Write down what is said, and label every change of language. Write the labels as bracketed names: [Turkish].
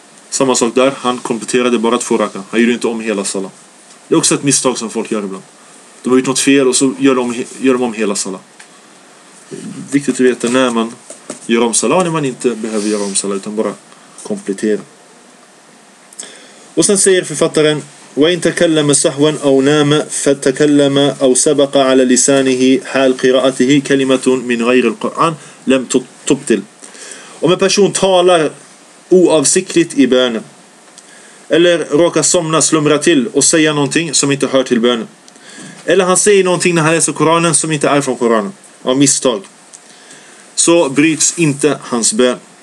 [Swedish] Samma sak där, han kompletterade bara 2 raka. Han gjorde inte om hela salat. Det är också ett misstag som folk gör ibland. De har gjort något fel och så gör de om hela salat. Viktigt att veta när man gör om salat, när man inte behöver göra om salat, utan bara komplettera. Och sen säger författaren, [Arabic] وَإِنْ تَكَلَّمَ سَحْوًا أَوْ نَامَ فَتَكَلَّمَ أَوْ سَبَقَ عَلَى لِسَانِهِ حَالْ قِرَاءَتِهِ كَلِمَةٌ مِنْ غَيْرِ الْقُرْآنِ لَمْ تُبْتِلْ. [Swedish] Om en person talar oavsiktligt i bönen, eller råkar somna, slumra till och säga någonting som inte hör till bönen, eller han säger någonting när han läser Koranen som inte är från Koranen av misstag, så bryts inte hans bön.